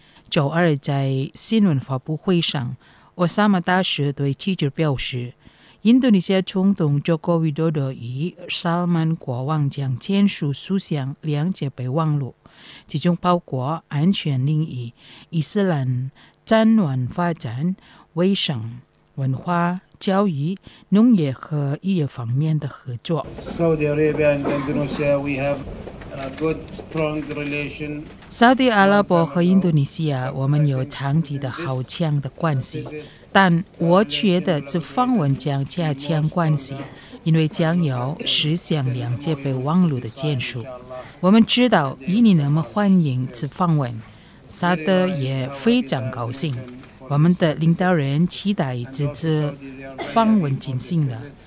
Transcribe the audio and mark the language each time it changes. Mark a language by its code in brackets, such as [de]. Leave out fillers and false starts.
[zh] 周二在新闻发布会上，奥萨马大使对记者表示，印度尼西亚总统佐科维多多与萨尔曼国王将签署数项谅解备忘录，其中包括安全领域、伊斯兰战乱发展、卫生、文化、教育、农业和医药方面的合作。 [en] Saudi Arabia and Indonesia, we have a good, strong relation. [zh] 沙特阿拉伯和印度尼西亚，我们有长期的好强的关系。但我觉得这访问将加强关系，因为将有十项谅解备忘录的签署。我们知道印尼那么欢迎此访问，沙特也非常高兴，我们的领导人期待这次访问进行了。